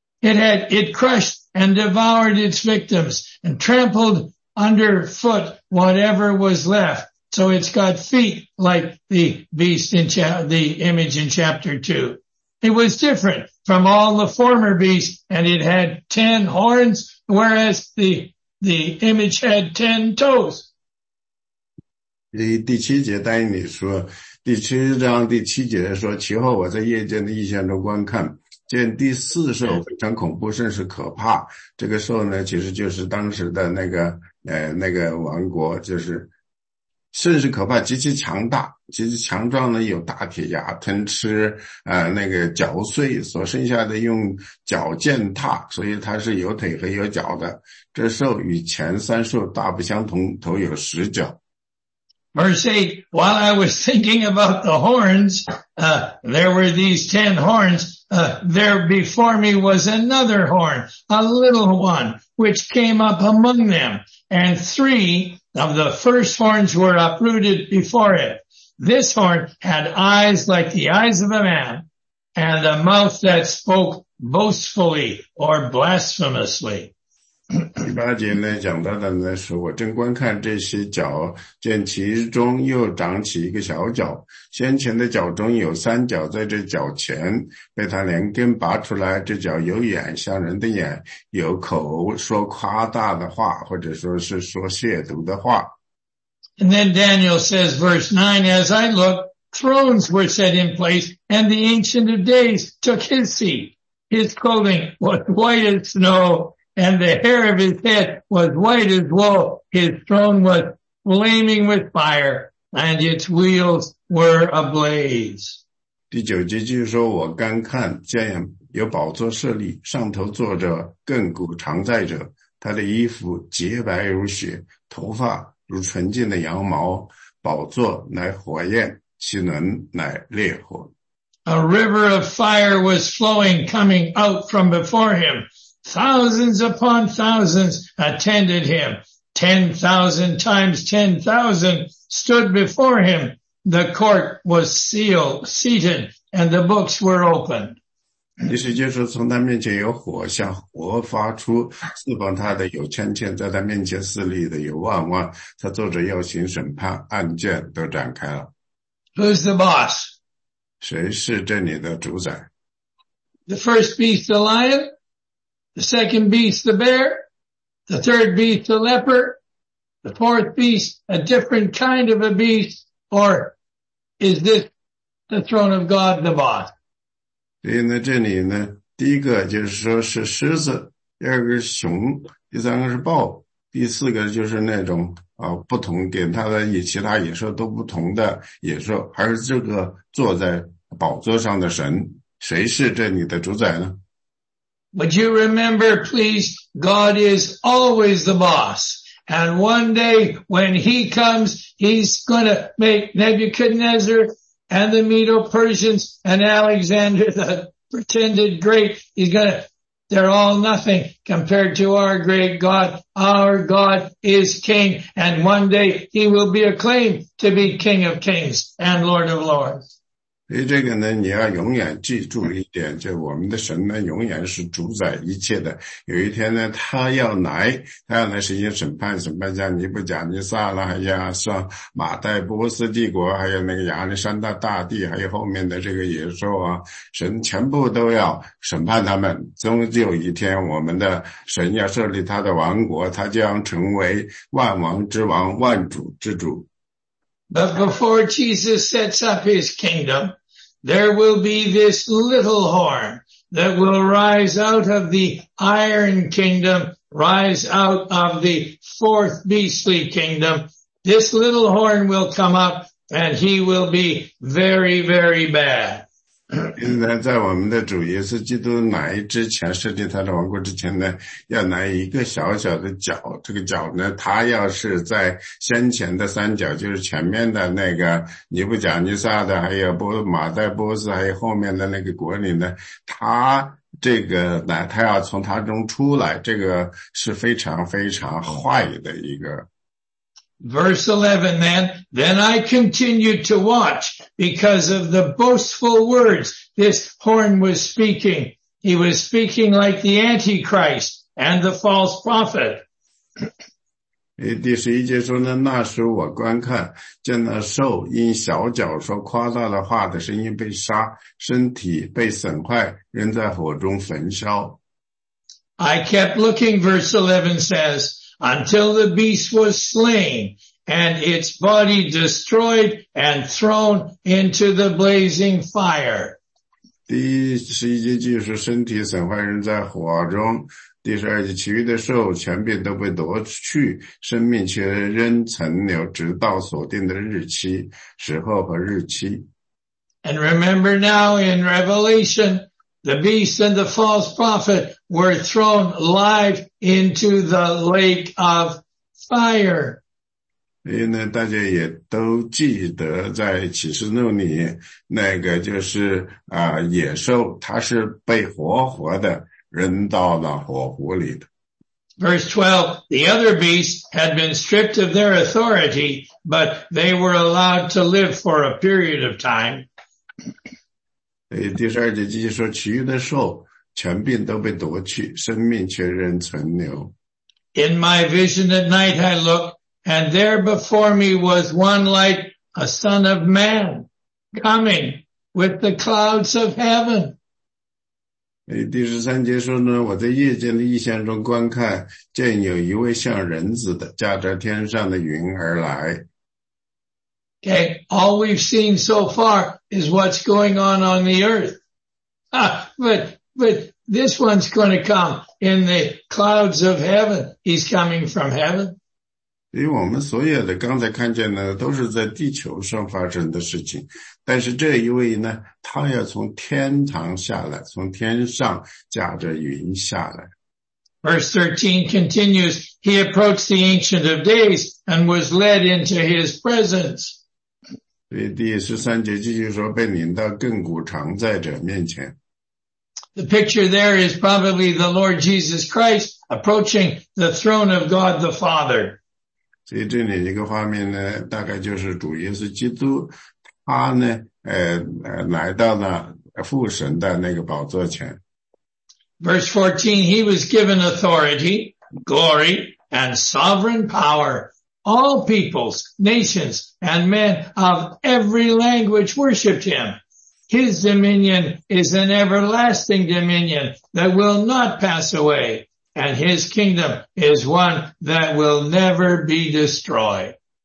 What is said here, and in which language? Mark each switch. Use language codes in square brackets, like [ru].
[en] It crushed and devoured its victims and trampled underfoot whatever was left. So it's got feet like the image in chapter 2. It was different from all the former beasts, and it had 10 horns, whereas the image had 10 toes. [zh] 第七节单以理书第七章第七节说，其后我在夜间的异象中观看，见第四兽非常恐怖，甚是可怕。这个兽呢，其实就是当时的那个王国，就是甚是可怕，极其强大，极其强壮的，有大铁牙吞吃嚼碎所剩下的，用脚践踏，所以它是有腿和有脚的。这兽与前三兽大不相同，头有十角。 [en] Verse 8, while I was thinking about the horns, there were these 10 horns, there before me was another horn, a little one, which came up among them, and three of the first horns were uprooted before it. This horn had eyes like the eyes of a man, and a mouth that spoke boastfully or blasphemously. [zh] 第八节呢讲到的呢是我正观看这些角，见其中又长起一个小角，先前的角中有三角，在这角前被他连根拔出来，这角有眼，像人的眼，有口，说夸大的话，或者说是说亵渎的话。 [en] And then Daniel says verse 9, as I looked, thrones were set in place, and the Ancient of Days took his seat. His clothing was white as snow. And the hair of his head was white as wool. His throne was flaming with fire, and its wheels were ablaze. [zh] 第九节就是说，我刚看见有宝座设立，上头坐着亘古常在者。他的衣服洁白如雪，头发如纯净的羊毛。宝座乃火焰，其轮乃烈火。 [en] A river of fire was flowing, coming out from before him. Thousands upon thousands attended him. 10,000 times 10,000 stood before him. The court was seated, and the books were opened. [zh] 第十节说，从他面前有火，像火发出，四方他的有千千，在他面前势力的有万万。他坐着要行审判，案件都展开了。 [en] Who's the boss? [zh] 谁是这里的主宰？ [en] The first beast, the lion? The second beast, the bear. The third beast, the leper. The fourth beast, a different kind of a beast. Or is this the throne of God, the boss? [zh] 所以呢，这里呢，第一个就是说是狮子，第二个是熊，第三个是豹，第四个就是那种啊不同跟它的其他野兽都不同的野兽，还是这个坐在宝座上的神，谁是这里的主宰呢？ [en] But you remember, please, God is always the boss. And one day when he comes, he's going to make Nebuchadnezzar and the Medo-Persians and Alexander the pretended great. He's going to, they're all nothing compared to our great God. Our God is king. And one day he will be acclaimed to be King of Kings and Lord of Lords. [zh] 所以这个呢，你要永远记住一点，就我们的神呢，永远是主宰一切的。有一天呢，他要来实行审判，审判像尼布甲尼撒了，还有像马代波斯帝国，还有那个亚历山大大帝，还有后面的这个野兽啊，神全部都要审判他们。终有一天，我们的神要设立他的王国，他将成为万王之王，万主之主。 [en] But before Jesus sets up his kingdom, there will be this little horn that will rise out of the iron kingdom, rise out of the fourth beastly kingdom. This little horn will come up and he will be very, very bad. [zh] 现在在我们的主耶稣基督来之前，设立他的王国之前呢，要来一个小小的角。这个角呢，他要是在先前的三角，就是前面的那个尼布甲尼撒的，还有马代波斯，还有后面的那个国里呢，他这个呢，他要从他中出来，这个是非常非常坏的一个。 [en] Verse 11 then I continued to watch because of the boastful words this horn was speaking. He was speaking like the Antichrist and the false prophet. [zh] 第十一节说呢，那时我观看见那兽因小脚说夸大的话的声音被杀，身体被损坏，扔在火中焚烧。 [en] I kept looking, verse 11 says,Until the beast was slain and its body destroyed and thrown into the blazing fire. [zh] 第十一节就是身体损坏人在火中，第十二节其余的兽全变都被夺去，生命却仍存留，直到所定的日期、时候和日期。 [en] And remember now in Revelation,The beast and the false prophet were thrown live into the lake of fire. [zh] 所以呢，大家也都记得在启示录里，那个就是啊，野兽它是被活活的扔到了火湖里的。 [en] Verse 12, the other beasts had been stripped of their authority, but they were allowed to live for a period of time. [zh] 第十二节继续说，其余的兽全病都被夺去，生命却仍存留。 [en] In my vision at night, I looked, and there before me was one like a son of man coming with the clouds of heaven. [zh] 第十三节说呢，我在夜间的异象中观看，见有一位像人子的，驾着天上的云而来。 [en] Okay, all we've seen so far is what's going on the earth. But this one's going to come in the clouds of heaven. He's coming from heaven. [zh] 因为我们所有的刚才看见的都是在地球上发生的事情，但是这一位呢，他要从天堂下来，从天上驾着云下来。 [en] Verse 13 continues, he approached the Ancient of Days and was led into his presence. [zh] 第十三节继续说，被领到亘古常在者面前。 [en] The picture there is probably the Lord Jesus Christ approaching the throne of God the Father. [zh] 所以这里一个画面呢，大概就是主耶稣基督，他呢，来到了父神的那个宝座前。 [en] Verse 14, he was given authority, glory, and sovereign power. All peoples, nations, and men of every language worshiped him. His dominion is an everlasting dominion that will not pass away, and his kingdom is one that will never be destroyed.